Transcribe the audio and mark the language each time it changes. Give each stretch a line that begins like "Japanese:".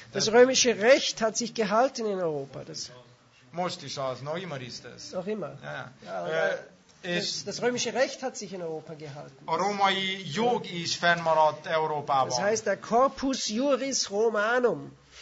German: Das römische Recht hat sich gehalten in Europa.
Hungarian: Most is az,
German: noch immer ist es. Noch immer. Ja. Das römische Recht hat sich in Europa gehalten.
Hungarian: A római jog is fennmaradt Európában.
German: Das heißt der Corpus Juris Romanum.